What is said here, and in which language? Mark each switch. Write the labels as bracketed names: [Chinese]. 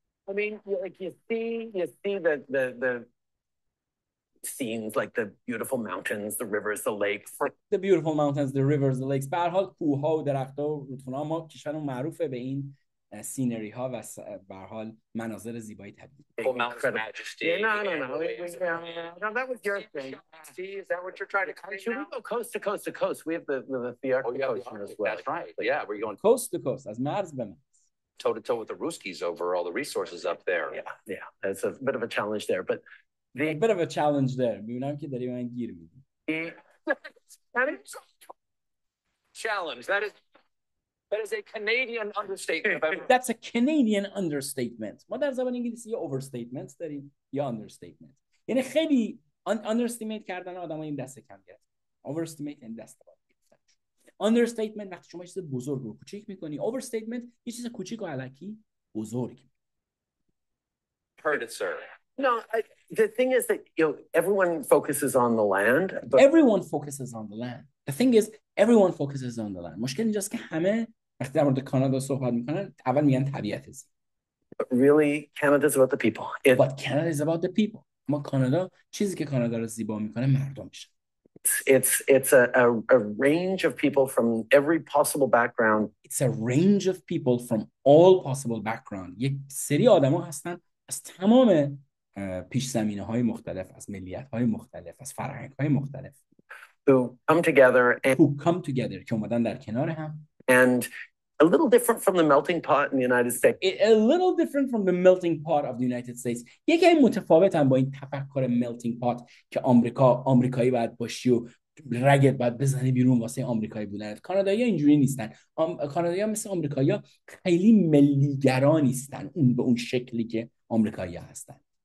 [English] I mean, like you see the scenes, like the beautiful mountains, the rivers, the lakes. The beautiful mountains, the rivers, the lakes. [Persian] به هر حال کوه‌ها و درخت‌ها و رودخانه‌ها، ما کشورمون معروفه به این سینری ها و به هر حال مناظر زیبای طبیعی. [English] Oh, Mount Majesty. Yeah, no. That was your thing. See, is that what you're trying to come to? Should we go coast to coast? We have the coast here as well. That's right. Yeah, we're going coast to coast. [Persian] از مرز به مرز. [English] toe-to-toe with the Ruskies over all the resources up there. Yeah, that's a bit of a challenge there. But the a bit of a challenge there. [Persian] می‌بینم که داری من گیر می‌دی. [English] Challenge. That is a Canadian understatement. That's a Canadian understatement. [Persian] ما در زبان انگلیسی یه overstatement داریم یا understatement. یعنی خیلی underestimate کردن آدم‌ها این دست کم گرفت. Overestimate این دست کم گرفت. Understatement وقتی شما چیز بزرگ رو کوچیک می‌کنی. Overstatement یه چیز کوچیک و علکی بزرگ. [English] Heard it, sir. No, the thing is that everyone focuses on the land. But... Everyone focuses on the land. The thing is, everyone focuses on the land. [Persian] مشکل اینجاست که همه وقتی در مورد کانادا صحبت میکنن اول میگن طبیعت زی. [English] But really, Canada is about the people. It... But Canada is about the people. [Persian] اما کانادا چیزی که کانادا رو زیبا میکنه مردمش. [English] It's a range of people from every possible background. It's a range of people from all possible background. [Persian] یک سری آدم ها هستن از تمام پیش زمینه های مختلف، از ملیت های مختلف، از فرهنگ های مختلف. [English] Who come together [Persian] که اومدن در کنار هم. [English] And a little different from the melting pot in the United States. A little different from the melting pot of the United States. [Persian] یکی متفاوت هم با این تفکر melting pot که آمریکایی باید باشی و رگت باید بزنی بیرون واسه آمریکایی بودن. کانادایی‌ها اینجوری نیستن. کانادایی‌ها مثل آمریکایی‌ها خیلی ملی‌گرا نیستن. اون به اون شکلی که آمریکایی‌ها هستن.